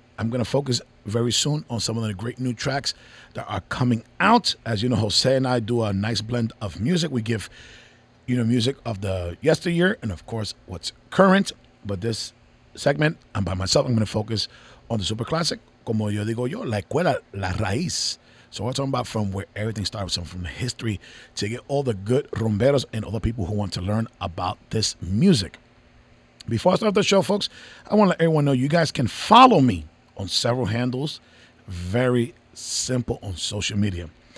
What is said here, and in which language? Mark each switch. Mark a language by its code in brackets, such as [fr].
[en] I'm going to focus very soon on some of the great new tracks that are coming out. As you know, Jose and I do a nice blend of music. We give, you know, music of the yesteryear and, of course, what's current. But this segment, I'm by myself, I'm going to focus on the super classic. [es] Como yo digo yo, la escuela, la raíz. [en] So we're talking about from where everything started, so from history, to get all the good rumberos and all the people who want to learn about this music. Before I start the show, folks, I want to let everyone know you guys can follow me on several handles, very simple on social media.